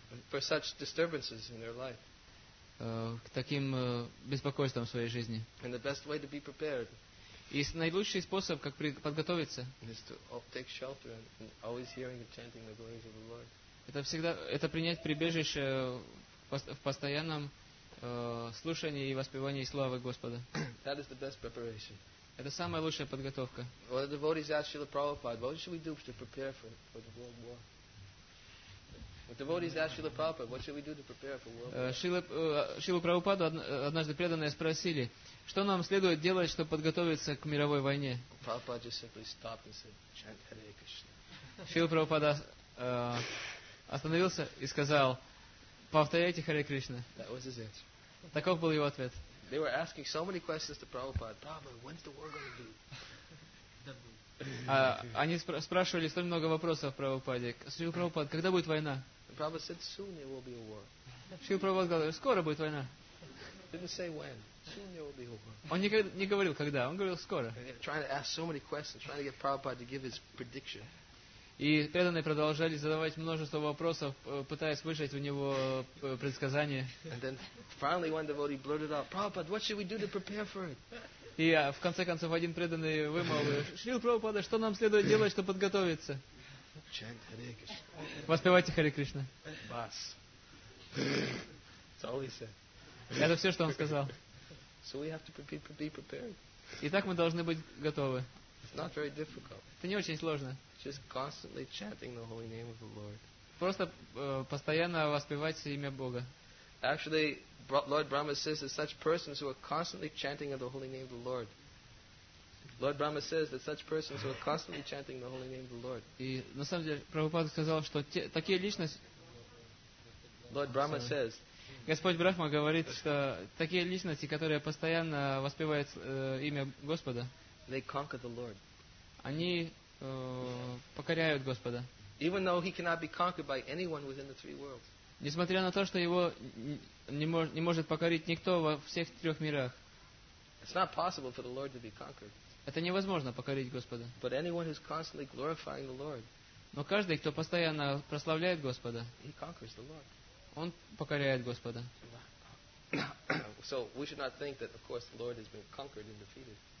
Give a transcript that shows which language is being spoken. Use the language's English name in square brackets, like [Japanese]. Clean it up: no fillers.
[English] For such disturbances in their life. [Russian] К таким беспокойствам в своей жизни. [English] And the best way to be prepared. [Russian] И наилучший способ, как подготовиться. [English] Is to take shelter and always hearing and chanting the glories of the Lord. [Russian] Это принять прибежище в постоянном слушании и воспевании славы Господа. [English] That is the best preparation. [Russian] Это самая лучшая подготовка. [English] Well, the devotees asked Srila Prabhupada, what should we do to prepare for the world war? The devotees asked Srila Prabhupada, what should we do to prepare for world war? [Russian] Шрила Прабхупаду однажды преданные спросили, что нам следует делать, чтобы подготовиться к мировой войне? [English] Prabhupada just simply stopped and said, chant Hare Krishna. [Russian] Шрила Прабхупада остановился и сказал, повторяйте Харе Кришна. [English] That was his answer. [Russian] Таков был его ответ. [English] They were asking so many questions to Prabhupada. Prabhupada, when's the war going to be? [Russian] Они спрашивали столь много вопросов Прабхупаде. Шрила Прабхупада, когда будет война? [English] Prabhupada said, soon there will be a war. [Russian] Шрила Прабхупада сказал, скоро будет война. [English] Didn't say when. Soon there will be a war. [Russian] Он не говорил когда, он говорил скоро. [English] Trying to ask so many questions, trying to get Prabhupada to give his prediction. [Russian] И преданные продолжали задавать множество вопросов, пытаясь выжать у него предсказания. [English] And then finally one devotee blurted out, Prabhupada, what should we do to prepare for it? [Russian] И в конце концов один преданный вымолвил, Шрила Прабхупада, что нам следует делать, чтобы подготовиться? [English] Chant Hare Krishna. [Russian] Воспевайте Харе Кришна. [English] Бас. That's all he said. [Russian] Это все, что он сказал. [English] So we have to be prepared. [Russian] Итак, мы должны быть готовы. [English] It's not very difficult. [Russian] Это не очень сложно. [English] Just constantly chanting the holy name of the Lord. [Russian] Просто постоянно воспевать имя Бога. [English] Actually, Lord Brahma says that such persons who are constantly chanting of the holy name of the Lord. Lord Brahma says that such persons who are constantly chanting the holy name of the Lord. [Russian] И на самом деле Прабхупада сказал, что такие личности. [English] Lord Brahma says. [Russian] Господь Брахма говорит, что такие личности, которые постоянно воспевают имя Господа. [English] They conquer the Lord. [Russian] Они покоряют Господа. [English] Even though he cannot be conquered by anyone within the three worlds. [Russian] Несмотря на то, что его не может покорить никто во всех трех мирах. [English] It's not possible for the Lord to be conquered. [Russian] Это невозможно покорить Господа. [English] But anyone who's constantly glorifying the Lord, [Russian] но каждый, кто постоянно прославляет Господа, [English] he conquers the Lord. [Russian] Он покоряет Господа. [English] So we should not think that, of course, the Lord has been conquered and defeated.